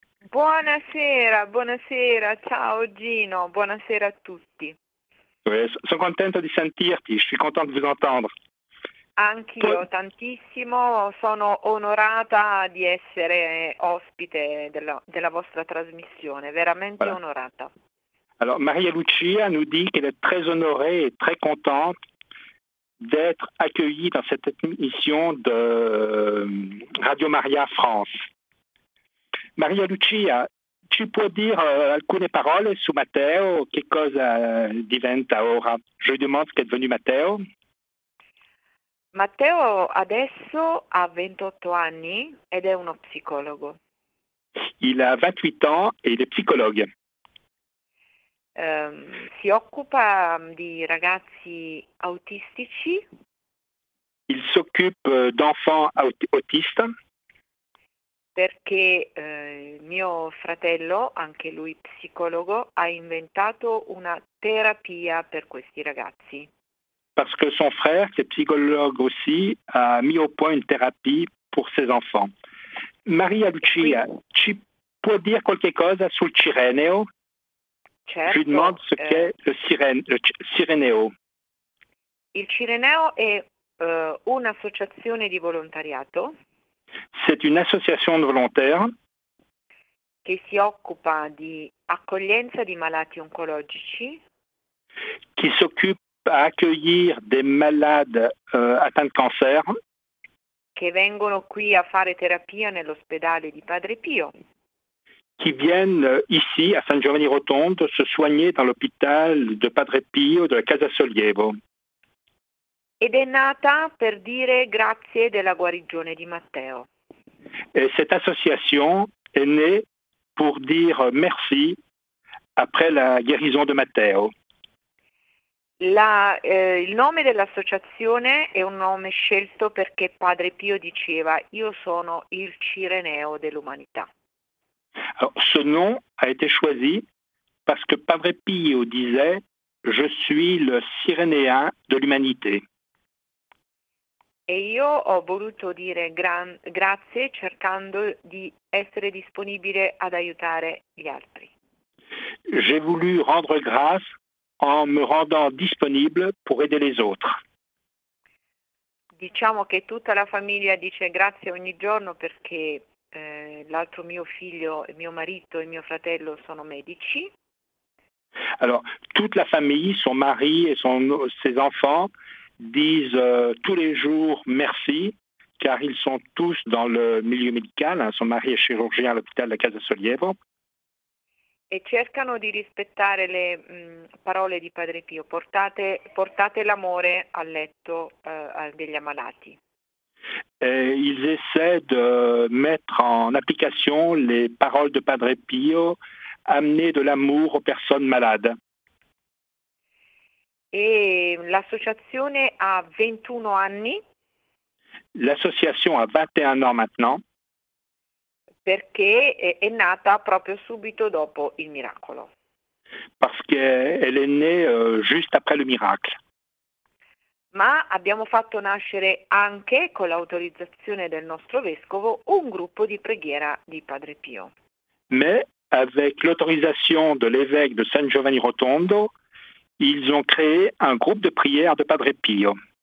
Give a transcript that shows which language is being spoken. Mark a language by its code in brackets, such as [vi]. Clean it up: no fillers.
[it] Buonasera, buonasera, ciao Gino, buonasera a tutti. Oui, sono contento di sentirti, [fr] je suis [it] contento di [fr] vous entendre. [it] Anch'io tantissimo, sono onorata di essere ospite della vostra trasmissione, veramente voilà. Onorata. [fr] Alors, Maria Lucia nous dit qu'elle est très honorée et très contente d'être accueillie dans cette émission de Radio Maria France. [it] Maria Lucia, [fr] tu peux dire [it] alcune parole su Matteo, che cosa diventa ora? [fr] Je lui demande ce qu'est devenu Matteo. [it] Matteo adesso ha 28 anni ed è uno psicologo. [fr] Il a 28 ans et il est psychologue. [it] Si occupa di ragazzi autistici. [fr] Il s'occupe d'enfants autistes. [it] Perché mio fratello, anche lui psicologo, ha inventato una terapia per questi ragazzi. [fr] Parce que son frère, qui est psychologue aussi, a mis au point une thérapie pour ses enfants. Maria Lucia, oui. Tu peux dire quelque chose sur le Cireneo? [it] Certo. [fr] Je lui demande ce qu'est le Cireneo. [it] Il Cireneo è un'associazione di volontariato. [fr] C'est une association de volontaires. [it] Che si occupa di accoglienza di malati oncologici. [fr] Qui s'occupe à accueillir des malades atteints de cancer. [it] Che vengono qui a fare terapia nell'ospedale di Padre Pio. [fr] Qui viennent ici à San Giovanni Rotondo se soigner dans l'hôpital de Padre Pio de la Casa Sollievo. [it] Ed è nata per dire grazie della guarigione di Matteo. [fr] Et cette association est née pour dire merci après la guérison de Matteo. [it] Il nome dell'associazione è un nome scelto perché Padre Pio diceva: io sono il Cireneo dell'umanità. [fr] Alors, ce nom a été choisi parce que Padre Pio disait: je suis le Cyrénéen de l'humanité. [it] E io ho voluto dire grazie cercando di essere disponibile ad aiutare gli altri. [fr] J'ai voulu rendre grâce en me rendant disponible pour aider les autres. [it] Diciamo che tutta la famiglia dice grazie ogni giorno perché l'altro mio figlio, mio marito e mio fratello sono medici. [fr] Alors, toute la famille, son mari et ses enfants disent tous les jours merci, car ils sont tous dans le milieu médical. Son mari est chirurgien à l'hôpital de la Casa Sollievo. [it] E cercano di rispettare le parole di Padre Pio. Portate l'amore a letto degli ammalati. [fr] Et ils essaient de mettre en application les paroles de Padre Pio, amener de l'amour aux personnes malades. [it] Et l'associazione a 21 anni. [fr] L'association a 21 ans maintenant. [it] perché è nata proprio subito dopo il miracolo. [fr] Parce qu'elle est née juste après le miracle. [it] Ma abbiamo fatto nascere anche, con l'autorizzazione del nostro vescovo, un gruppo di preghiera di Padre Pio. [fr] Mais avec l'autorisation de l'évêque de San Giovanni Rotondo, ils ont créé un groupe de prière de Padre Pio.